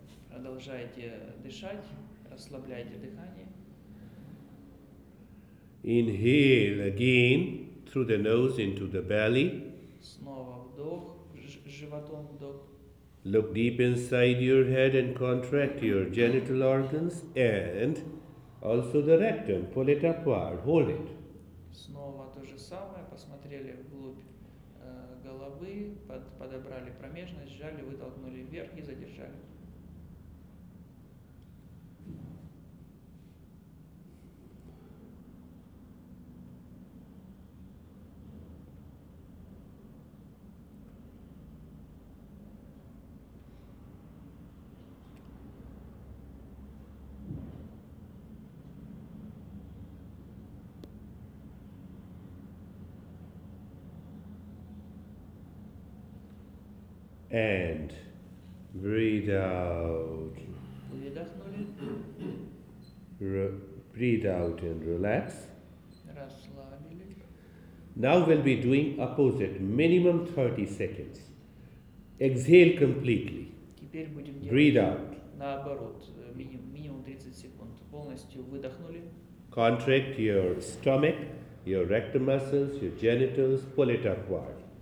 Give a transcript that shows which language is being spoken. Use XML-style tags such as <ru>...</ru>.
<ru>Продолжайте дышать, расслабляйте дыхание.</ru> <en>Inhale again through the nose into the belly.</en> <ru>Снова вдох, животом вдох.</ru> <en>Look deep inside your head and contract your genital organs and also the rectum, pull it upward, hold it.</en> <ru>Снова то же самое, посмотрели вглубь головы, подобрали промежность, сжали, вытолкнули вверх и задержали.</ru> <en>And breathe out.</en> <ru>Выдохнули.</ru> <en>Breathe out and relax.</en> <ru>Расслабили.</ru> <en>Now we'll be doing opposite, minimum 30 seconds. Exhale completely.</en> <ru>Теперь будем делать</ru> <en>breathe out.</en> <ru>Наоборот, минимум 30 секунд. Полностью выдохнули.</ru> <en>Contract your stomach, your rectum muscles, your genitals, pull it upward.</en>